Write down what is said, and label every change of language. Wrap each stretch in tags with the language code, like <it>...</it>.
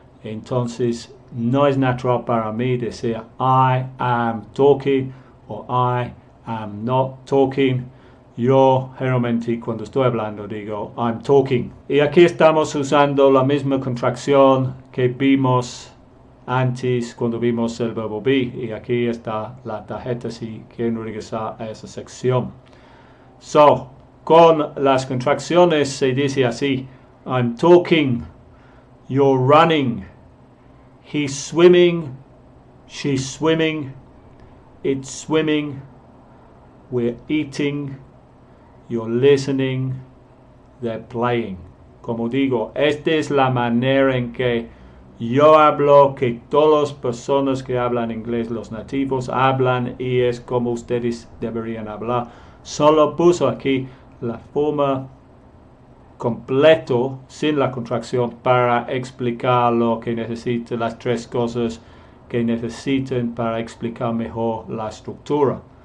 <es>Entonces, no es natural para mí decir</es> <en>I am talking</en> <es>o</es> <en>I am not talking.</en> <es>Yo generalmente cuando estoy hablando digo</es> <en>I'm talking.</en> <es>Y aquí estamos usando la misma contracción que vimos antes cuando vimos el verbo be, y aquí está la tarjeta si quieren regresar a esa sección.</es> <en>So,</en> <es>con las contracciones se dice así:</es> <en>I'm talking, you're running, he's swimming, it's swimming, we're eating, you're listening, they're playing.</en> <es>Como digo, esta es la manera en que yo hablo, que todas personas que hablan inglés, los nativos, hablan y es como ustedes deberían hablar. Solo puso aquí la forma completo sin la contracción para explicar lo que necesitan, las tres cosas que necesiten para explicar mejor la estructura.</es>